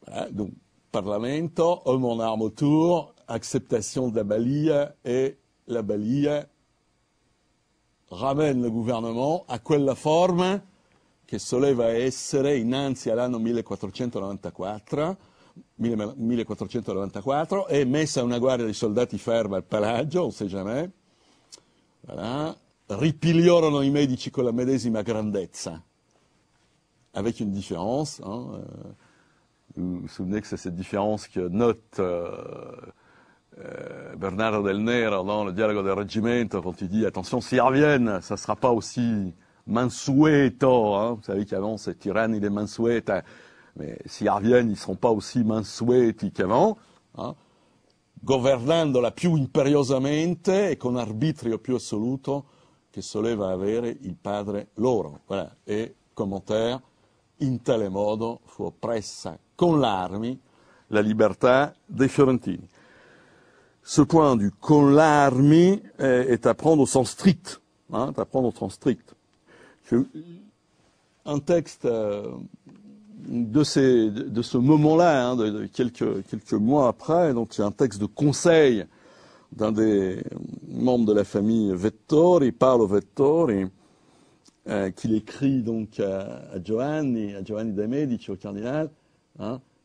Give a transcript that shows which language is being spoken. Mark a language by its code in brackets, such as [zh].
[it] dunque Parlamento, [fr] homme en arme autour, acceptation de la balia, [it] e la balia [fr] ramène le gouvernement [it] a quella forma che soleva essere innanzi all'anno 1494, è messa una guardia di soldati ferma al palazzo, [fr] on sait jamais, voilà. [it] Ripigliorono i medici con la medesima grandezza, [fr] avec une différence, hein, vous souvenez que c'est cette différence que note Bernardo del Nero dans le dialogue del Reggimento, quand il dit attention, s'ils reviennent, ça ne sera pas aussi mansueto, hein, vous savez qu'avant c'est tyranni de mansueta, mais s'ils reviennent, ils ne seront pas aussi mansueti qu'avant, hein, [it] governandola più imperiosamente e con arbitrio più assoluto che soleva avere il padre loro. [fr] Voilà. [it] E commentaire, in tale modo fu oppressa con l'armi la libertà dei fiorentini. [fr] Ce point du con l'armi est à prendre au sens strict, hein, à prendre au sens strict. Un texte de ce moment-là, hein, de quelques mois après, donc c'est un texte de conseil d'un des membres de la famille Vettori, Paolo Vettori, qu'il écrit donc à Giovanni de Medici, au cardinal, hein,